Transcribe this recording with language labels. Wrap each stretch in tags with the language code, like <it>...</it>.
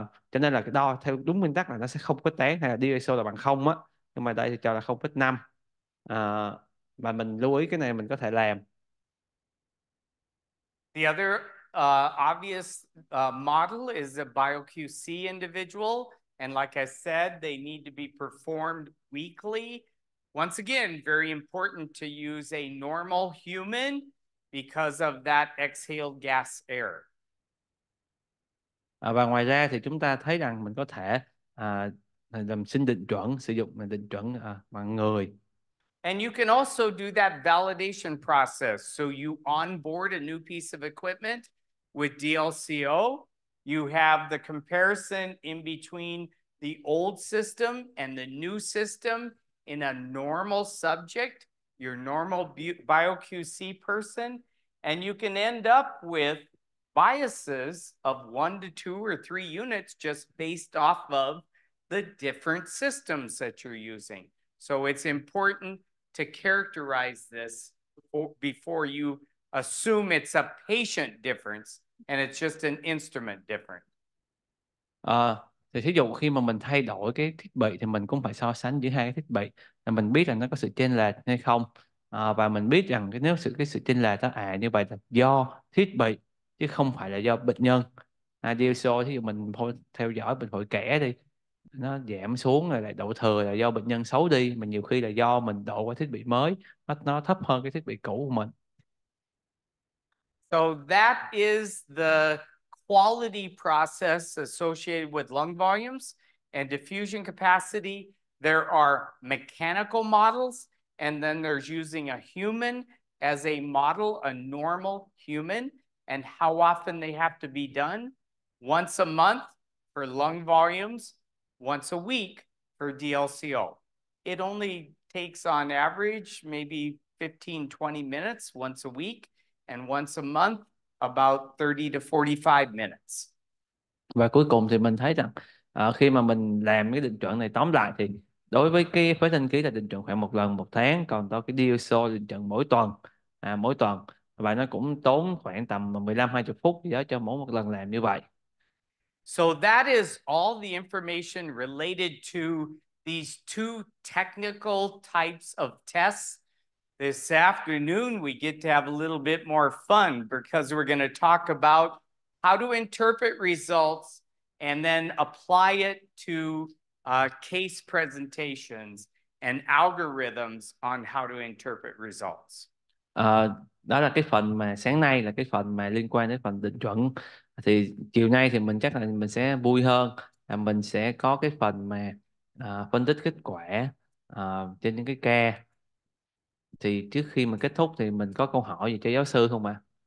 <vi>Cho nên là cái đo theo đúng nguyên tắc là nó sẽ không khuếch tán, hay là DLCO là bằng 0 á, nhưng mà đây thì cho là 0.5. Và mình lưu ý cái này mình có thể làm.</vi> <en>The other obvious model is a BioQC individual. And like I said, they need to be performed weekly. Once again, very important to use a normal human because of that exhaled gas air.</en> <vi>Và ngoài ra thì chúng ta thấy rằng mình có thể làm xin định chuẩn, sử dụng định chuẩn bằng người.</vi> <en>And you can also do that validation process. So you onboard a new piece of equipment with DLCO, you have the comparison in between the old system and the new system in a normal subject, your normal BioQC person, and you can end up with biases of 1 to 2 or 3 units just based off of the different systems that you're using. So it's important to characterize this before you assume it's a patient difference and it's just an instrument different.</en> <vi>Thì ví dụ khi mà mình thay đổi cái thiết bị thì mình cũng phải so sánh giữa hai cái thiết bị để mình biết là nó có sự chênh lệch hay không, và mình biết rằng cái nếu sự chênh lệch đó như vậy là do thiết bị chứ không phải là do bệnh nhân. DLCO thì mình theo dõi bệnh phổi kẽ đi, nó giảm xuống rồi lại độ thừa là do bệnh nhân xấu đi, mà nhiều khi là do mình độ qua thiết bị mới, nó thấp hơn cái thiết bị cũ của mình.</vi> <en>So that is the quality process associated with lung volumes and diffusion capacity. There are mechanical models, and then there's using a human as a model, a normal human, and how often they have to be done. Once a month for lung volumes, once a week for DLCO. It only takes on average maybe 15, 20 minutes once a week, and once a month, about 30 to 45 minutes.</en> <vi>Và cuối cùng thì mình thấy rằng khi mà mình làm cái định chuẩn này tóm lại thì đối với cái phế thanh khí là định chuẩn khoảng một lần một tháng, còn đối cái DLCO định chuẩn mỗi tuần, mỗi tuần, và nó cũng tốn khoảng tầm 15-20 phút gì đó cho mỗi một lần làm như vậy.</vi> <en>So that is all the information related to these two technical types of tests. This afternoon, we get to have a little bit more fun because we're going to talk about how to interpret results and then apply it to case presentations and algorithms on how to interpret results.</en> <vi>Đó là cái phần mà sáng nay là cái phần mà liên quan đến phần định chuẩn. Thì chiều nay thì mình chắc là mình sẽ vui hơn, là mình sẽ có cái phần mà phân tích kết quả trên những cái ca. Thì trước khi mình kết thúc thì mình có câu hỏi gì cho giáo sư không ạ?</vi>